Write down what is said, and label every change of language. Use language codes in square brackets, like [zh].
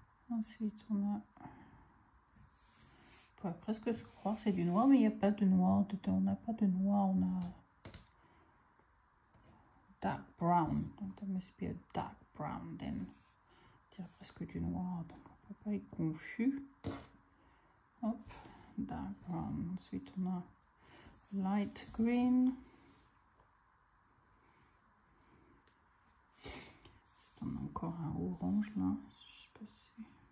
[fr] Ensuite, on a... Ouais, presque je crois que c'est du noir, mais il n'y a pas de noir dedans. On n'a pas de noir, on a... [en] Dark brown. Donc, there must be a dark brown, then. [fr] C'est presque du noir, donc on ne peut pas être confus. Hop, dark brown. Ensuite, on a light green. Ensuite, on a encore un orange, là. Je ne sais pas si...